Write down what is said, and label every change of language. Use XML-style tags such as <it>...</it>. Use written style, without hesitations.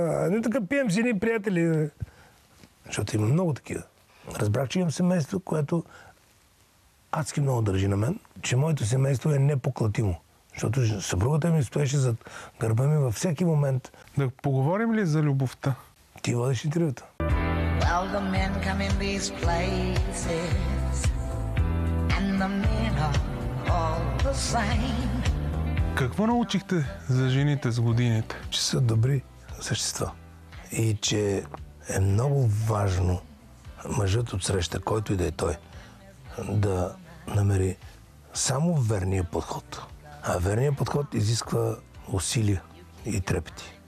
<bg>Не така пием с едни приятели. Защото има много такива. Разбрах, че имам семейство, което адски много държи на мен, че моето семейство е непоклатимо. Защото съпругата ми стоеше зад гърба ми във всеки момент. Да поговорим ли за любовта? Ти водиш интервюта.</bg> <en>Well, the men come in these places, and the men are all the same.</en> <bg>Какво научихте за жените с годините? Че са добри същества. И че е много важно мъжът от среща, който и да е той, да намери само верния подход. А верният подход изисква усилия и трепети.</bg>